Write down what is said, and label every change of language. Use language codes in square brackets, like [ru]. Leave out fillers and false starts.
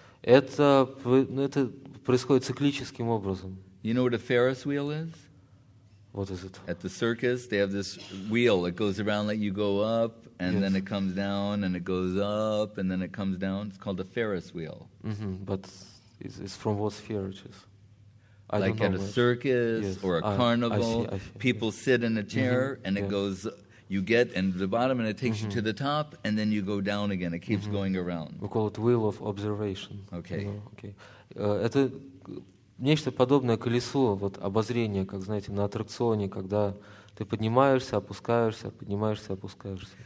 [ru] Это происходит циклическим образом. [en] You know what a Ferris wheel is? What is it? At the circus, they have this wheel that goes around, like you go up, and then it comes down, and it goes up, and then it comes down. It's called a Ferris wheel. Mm-hmm. But it's from what sphere it is? I like at a circus or a carnival, people sit in a chair, and it goes. You get into the bottom and it takes you to the top and then you go down again. It keeps going around. We call it wheel of observation. Okay. You know? Okay. [ru] Это нечто подобное колесу вот обозрения, как знаете, на аттракционе, когда ты поднимаешься, опускаешься, поднимаешься, опускаешься.